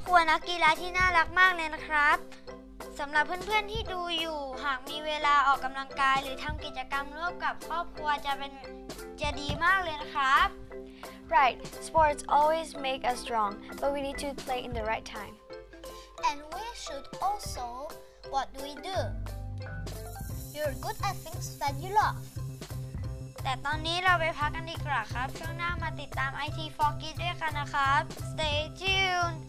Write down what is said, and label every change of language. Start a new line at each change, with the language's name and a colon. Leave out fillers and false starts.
Thai: นักกีฬาที่น่ารักมากเลยนะครับสำหรับเพื่อนๆที่ดูอยู่หากมีเวลาออกกำลังกายหรือทำกิจกรรมร่วมกับครอบครัวจะดีมากเลยนะครับ
English: Right, sports always make us strong, but we need to play in the right time. And we should also, what do we do? You're good at things that you love.
Thai: แต่ตอนนี้เราไปพักกันดีกว่าครับช่วงหน้ามาติดตาม IT for Kids ด้วยกันนะครับ
English: Stay tuned.